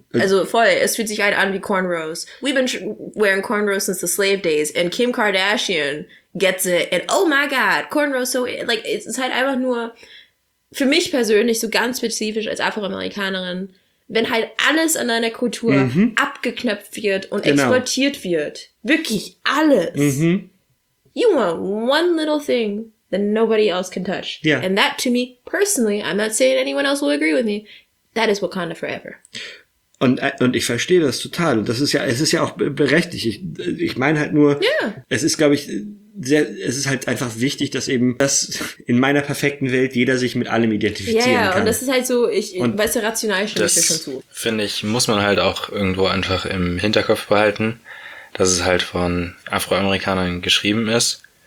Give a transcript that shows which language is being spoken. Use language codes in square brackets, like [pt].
[de] Also voll, es fühlt sich halt an wie Cornrows. [en] We've been wearing Cornrows since the slave days and Kim Kardashian gets it and oh my god, Cornrows so, [de] like, es ist halt einfach nur für mich persönlich so ganz spezifisch als Afroamerikanerin, wenn halt alles an deiner Kultur abgeknöpft wird und exportiert wird. Wirklich alles. Mm-hmm. [en] You want one little thing that nobody else can touch. Yeah. And that to me, personally, I'm not saying anyone else will agree with me, that is Wakanda forever. [de] Und ich verstehe das total. Und das ist ja, es ist ja auch berechtigt. Ich meine halt nur, es ist, glaube ich, sehr, es ist halt einfach wichtig, dass eben das in meiner perfekten Welt jeder sich mit allem identifizieren kann. Ja, und das ist halt so, ich weiß ja rational schon, das finde ich, muss man halt auch irgendwo einfach im Hinterkopf behalten, dass es halt von Afroamerikanern geschrieben ist.